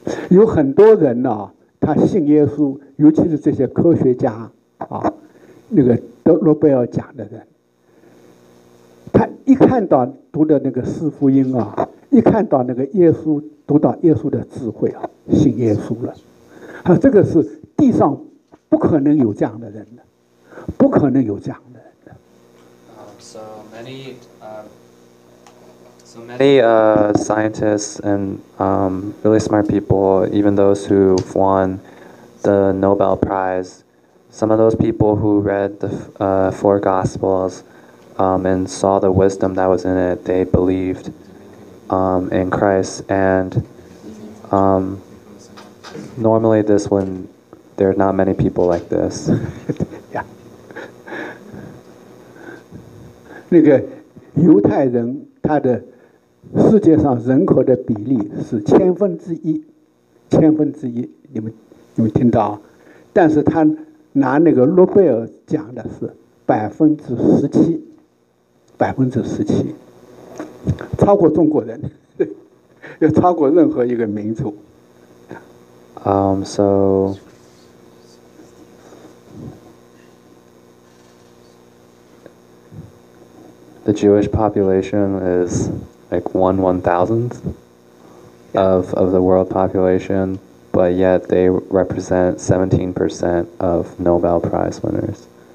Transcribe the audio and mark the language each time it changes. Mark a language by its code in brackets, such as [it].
[zh] 有很多人呢、啊，他信耶稣，尤其是这些科学家啊，那个得诺贝尔奖的人，他一看到读的那个四福音啊，一看到那个耶稣，读到耶稣的智慧啊，信耶稣了。啊，这个是地上不可能有这样的人的，不可能有这样的人的。 [en] So many scientists and really smart people, even those who've won the Nobel Prize, some of those people who read the four Gospels and saw the wisdom that was in it, they believed in Christ. And normally this wouldn't There are not many people like this. Yeah. [zh] 那个犹太人他的世界上人口的比例是千分之一，千分之一，你们听到？但是他拿那个诺贝尔奖的是17%，17%，超过中国人，要超过任何一个民族。 [en] So the Jewish population is like 1/1000th of the world population, but yet they represent 17% of Nobel Prize winners.